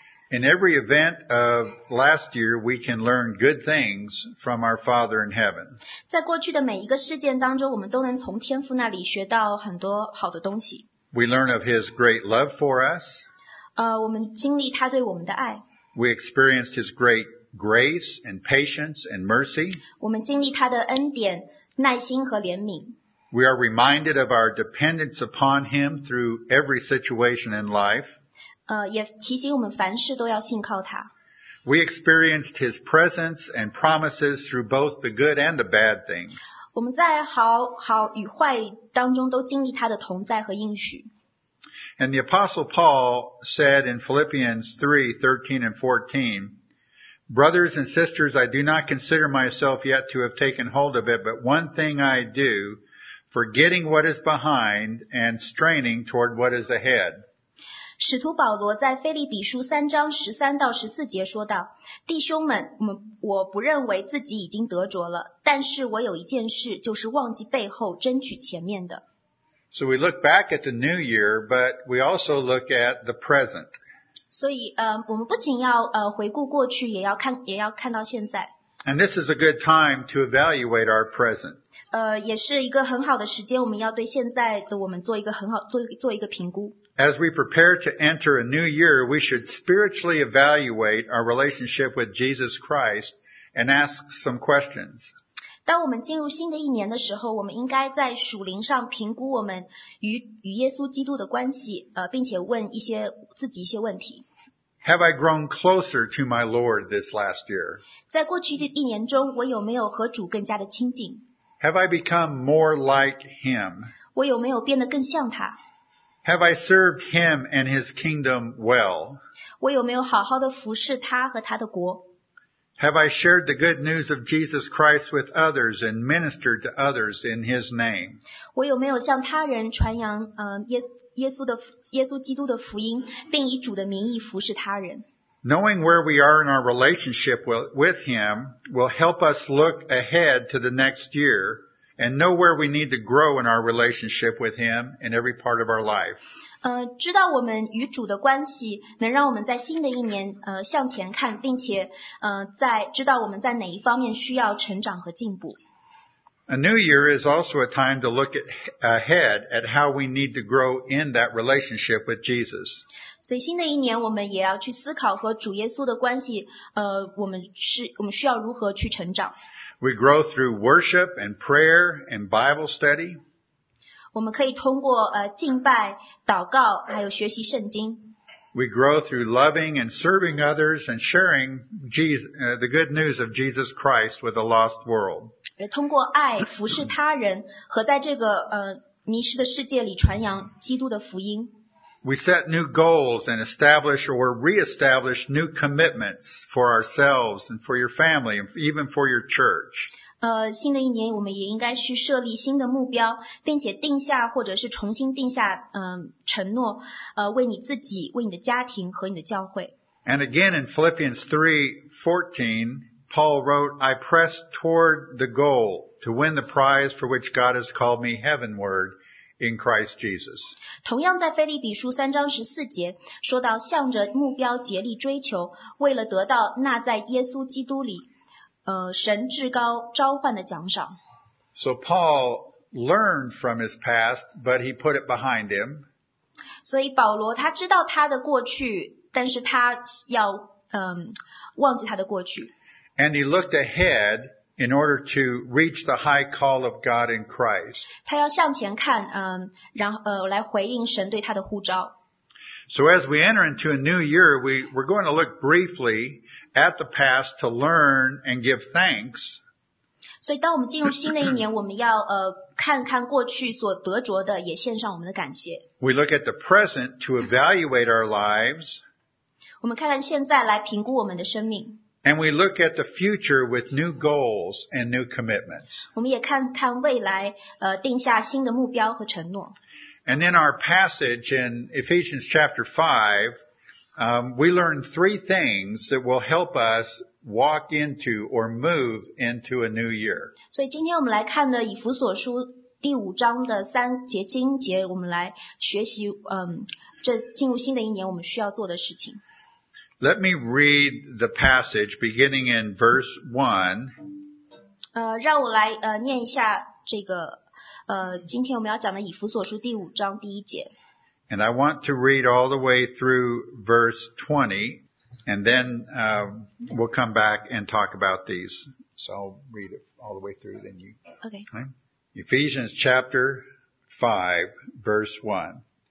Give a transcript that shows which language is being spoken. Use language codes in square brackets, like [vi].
[en] In every event of last year, we can learn good things from our Father in heaven. [zh] 在过去的每一个事件当中，我们都能从天父那里学到很多好的东西。 [en] We learn of His great love for us. [zh] 我们经历他对我们的爱。 [en] We experienced His great grace and patience and mercy. [zh] 我们经历他的恩典、耐心和怜悯。 [en] We are reminded of our dependence upon Him through every situation in life. [zh] 也提醒我们凡事都要信靠他。 [en] We experienced his presence and promises through both the good and the bad things. [zh] 我们在好与坏当中都经历他的同在和应许。 [en] And the Apostle Paul said in Philippians 3:13-14, Brothers and sisters, I do not consider myself yet to have taken hold of it, but one thing I do, forgetting what is behind and straining toward what is ahead. [zh] 使徒保罗在腓立比书三章十三到十四节说道：弟兄们，我不认为自己已经得着了，但是我有一件事，就是忘记背后，争取前面的。 [en] So we look back at the new year, but we also look at the present. [zh] 所以，我们不仅要回顾过去，也要看到现在。 [en] And this is a good time to evaluate our present. [zh] 也是一个很好的时间，我们要对现在的我们做一个很好做一个评估。 [en] As we prepare to enter a new year, we should spiritually evaluate our relationship with Jesus Christ and ask some questions. [zh] 当我们进入新的一年的时候，我们应该在属灵上评估我们与耶稣基督的关系，并且问自己一些问题。 [en] Have I grown closer to my Lord this last year? [zh] 在过去的一年中，我有没有和主更加的亲近？ [en] Have I become more like him? [zh] 我有没有变得更像他？ [en] Have I served him and his kingdom well? [zh] 我有没有好好的服侍他和他的国？ [en] Have I shared the good news of Jesus Christ with others and ministered to others in His name? [zh] 我有没有向他人传扬耶稣基督的福音，并以主的名义服侍他人？ [en] Knowing where we are in our relationship with Him will help us look ahead to the next year and know where we need to grow in our relationship with Him in every part of our life. [zh] 知道我们与主的关系能让我们在新的一年向前看，并且在知道我们在哪一方面需要成长和进步。 [en] A new year is also a time to look ahead at how we need to grow in that relationship with Jesus. [zh] 所以新的一年我们也要去思考和主耶稣的关系，我们需要如何去成长。 [en] We grow through worship and prayer and Bible study. [zh] 我们可以通过敬拜、祷告，还有学习圣经。 [en] We grow through loving and serving others and sharing the good news of Jesus Christ with the lost world. [zh] 也通过爱服侍他人和在这个迷失的世界里传扬基督的福音。 [en] We set new goals and establish or reestablish new commitments for ourselves and for your family and even for your church. [zh] 新的一年我们也应该去设立新的目标，并且定下或者是重新定下承诺，为你自己、为你的家庭和你的教会。 [en] And again in Philippians 3:14, Paul wrote, I press toward the goal to win the prize for which God has called me heavenward. In Christ Jesus. [zh] 同样在腓立比书三章十四节说到向着目标竭力追求，为了得到那在耶稣基督里神至高召唤的奖赏。 [en] So Paul learned from his past, but he put it behind him. [zh] 所以保罗他知道他的过去，但是他要忘记他的过去。 [en] And he looked ahead. In order to reach the high call of God in Christ. [zh] 他要向前看，来回应神对他的呼召。 [en] So as we enter into a new year, we're going to look briefly at the past to learn and give thanks. [zh] 所以当我们进入新的一年，我们要看看过去所得着的，也献上我们的感谢。 [en] We look at the present to evaluate our lives. [zh] 我们看看现在来评估我们的生命。 [en] And we look at the future with new goals and new commitments. [zh] 我们也看看未来，定下新的目标和承诺。 [en] And in our passage in Ephesians chapter 5, we learn three things that will help us walk into or move into a new year. [zh] 所以今天我们来看的以弗所书第五章的三节经节，我们来学习，这进入新的一年我们需要做的事情。 [en] Let me read the passage beginning in verse 1. [zh] 让我来念一下这个今天我们要讲的以弗所书第五章第一节。 [en] And I want to read all the way through verse 20, and then we'll come back and talk about these. So I'll read it all the way through, then you. Okay. Ephesians chapter 5, verse 1.